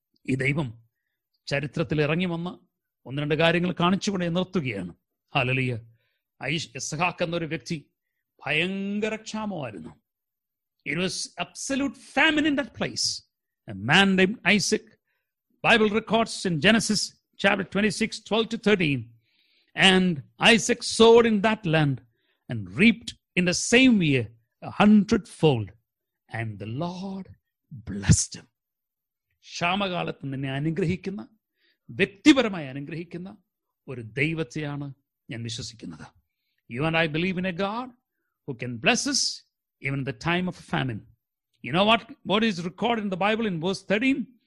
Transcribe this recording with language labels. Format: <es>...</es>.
<ml>ഈ ദൈവം ചരിത്രത്തിൽ ഇറങ്ങി വന്ന ഒന്ന് രണ്ട് കാര്യങ്ങൾ കാണിച്ചുകൊണ്ട് നിർത്തുകയാണ്. ഹല്ലേലൂയ. ഇസ്ഹാക്ക് എന്നൊരു വ്യക്തി ഭയങ്കര ക്ഷാമമായിരുന്നു.</ml> <en>It was absolute famine in that place. A man named Isaac. Bible records in Genesis chapter 26:12-13. And Isaac sowed in that land and reaped in the same year 100-fold. And the Lord blessed him.</en> <ml>ക്ഷാമകാലത്ത് നിന്നെ അനുഗ്രഹിക്കുന്ന, വ്യക്തിപരമായി അനുഗ്രഹിക്കുന്ന ഒരു ദൈവത്തെയാണ് ഞാൻ വിശ്വസിക്കുന്നത്.</ml> <en>You and I believe in a God who can bless us even in the time of famine. You know what is recorded in the Bible in verse 13?</en>